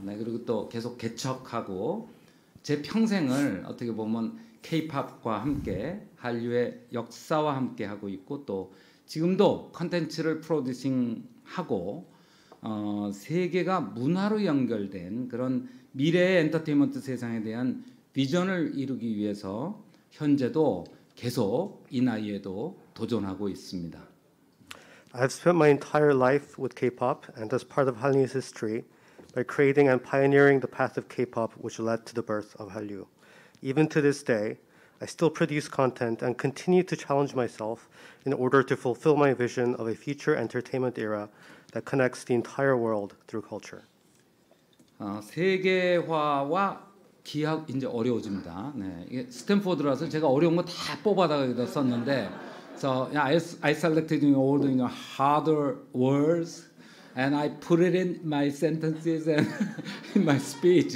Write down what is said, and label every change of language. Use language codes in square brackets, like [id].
[ko] 네, 그리고 또 계속 개척하고 제 평생을 어떻게 보면 K-POP과 함께 한류의 역사와 함께 하고 있고 또 지금도 컨텐츠를 프로듀싱하고 세계가 문화로 연결된 그런 미래의 엔터테인먼트 세상에 대한 비전을 이루기 위해서 현재도 계속 이 나이에도 도전하고 있습니다. [en] I've spent my entire life with K-pop and as part of Hallyu's history by creating and pioneering the path of K-pop which led to the birth of Hallyu. Even to this day, I still produce content and continue to challenge myself in order to fulfill my vision of a future entertainment era that connects the entire world through culture. [ko] 세계화와 기하 이제 어려워집니다. [en] 네, 이게 스탠포드라서 제가 어려운 거 다 뽑아다가 여기다 썼는데, so I selected all the harder words and I put it in my sentences and in my speech.